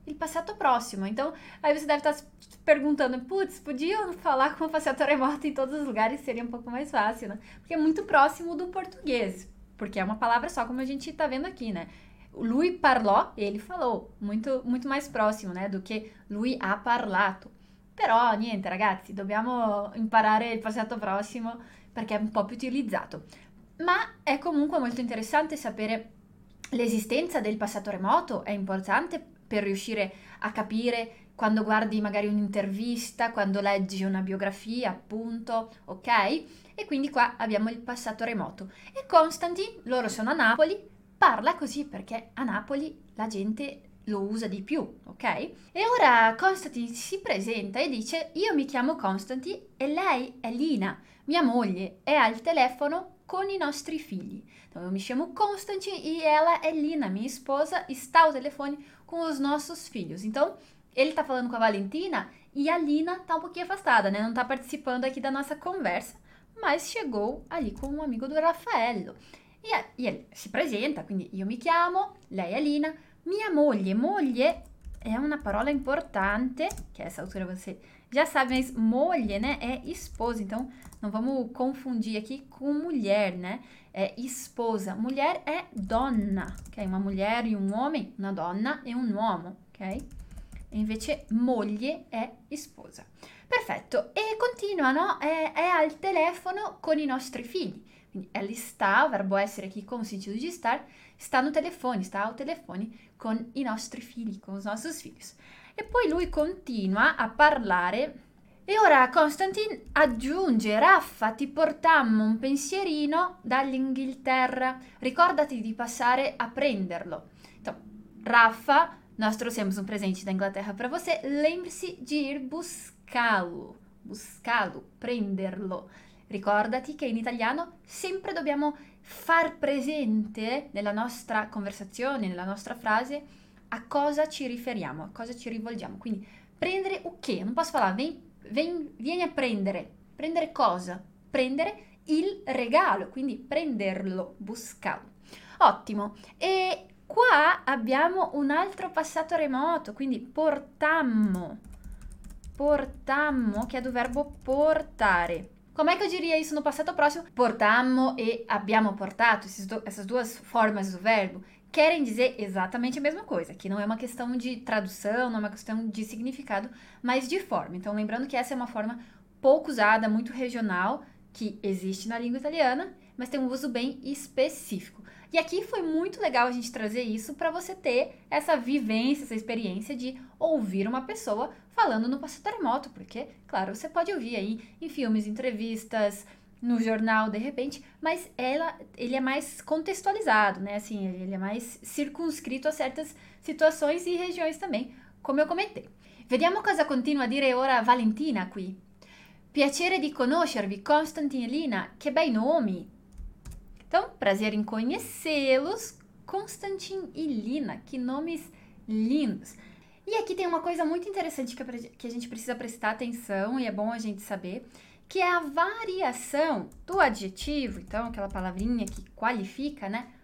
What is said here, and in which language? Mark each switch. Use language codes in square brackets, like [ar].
[pt] Il passato prossimo. Então, aí você deve estar se perguntando: putz, podiam falar com o passato remoto em todos os lugares, seria um pouco mais fácil, né? Porque é muito próximo do português. Porque é uma palavra só, como a gente tá vendo aqui, né? [it] Lui parlò, [pt] ele falou. Muito, muito mais próximo, né? Do que [it] lui ha parlato. Però, niente, ragazzi, dobbiamo imparare il passato prossimo perché è un po' più utilizzato. Ma è comunque molto interessante sapere l'esistenza del passato remoto. È importante per riuscire a capire quando guardi magari un'intervista, quando leggi una biografia, appunto, ok? E quindi qua abbiamo il passato remoto. E Constantin, loro sono a Napoli, parla così perché a Napoli la gente lo usa di più, ok? E ora Constantin si presenta e dice: io mi chiamo Constantin e lei è Lina, mia moglie, è al telefono con i nostri figli. Então, io mi chiamo Constantin e ela è Lina, mia esposa, e sta al telefono con [pt] os nossos filhos. Então, ele tá falando com a Valentina e a Lina tá um pouquinho afastada, né? Não tá participando aqui da nossa conversa, mas chegou ali com um amigo do Raffaello. [it] E si presenta, quindi io mi chiamo, lei Alina, mia moglie. Moglie è una parola importante, [pt] che essa altura você já sabe, mas moglie, né, é esposa. Então, não vamos confundir aqui com mulher, né? É esposa. Mulher é donna, ok? Uma mulher e um homem, uma donna e um uomo, ok? E invece, moglie é esposa. [it] Perfetto. E continua, no? È al telefono con i nostri figli. [pt] Quindi, ela está, o verbo essere aqui com o sentido de estar, está no telefone, está ao telefone [it] con i nostri figli, [pt] com os nossos filhos. [it] E poi lui continua a parlare. E ora Constantin aggiunge, Raffa, ti portammo un pensierino dall'Inghilterra, ricordati di passare a prenderlo. [pt] Então, Raffa, nós trouxemos um presente da Inglaterra para você, lembre-se de ir buscá-lo, prenderlo. [it] Ricordati che in italiano sempre dobbiamo far presente nella nostra conversazione, nella nostra frase, a cosa ci riferiamo, a cosa ci rivolgiamo. Quindi, prendere o che? Non posso parlare, vieni a prendere. Prendere cosa? Prendere il regalo, quindi prenderlo, buscarlo. Ottimo. E qua abbiamo un altro passato remoto, quindi portammo. Portammo, che è do verbo portare. [pt] Como é que eu diria isso no passado próximo? [it] Portammo e abbiamo portato, [pt] essas duas formas do verbo, querem dizer exatamente a mesma coisa, que não é uma questão de tradução, não é uma questão de significado, mas de forma. Então, lembrando que essa é uma forma pouco usada, muito regional, que existe na língua italiana, mas tem um uso bem específico. E aqui foi muito legal a gente trazer isso para você ter essa vivência, essa experiência de ouvir uma pessoa falando no passado remoto, porque, claro, você pode ouvir aí em filmes, entrevistas, no jornal, de repente, mas ele é mais contextualizado, né? Assim, ele é mais circunscrito a certas situações e regiões também, como eu comentei. [it] Vediamo cosa continua a dire ora Valentina qui. Piacere di conoscervi, Constantin e Lina, che bei nomi! [pt] Então, prazer em conhecê-los, Constantin e Lina, que nomes lindos. E aqui tem uma coisa muito interessante que a gente precisa prestar atenção e é bom a gente saber, que é a variação do adjetivo, então aquela palavrinha que qualifica, né?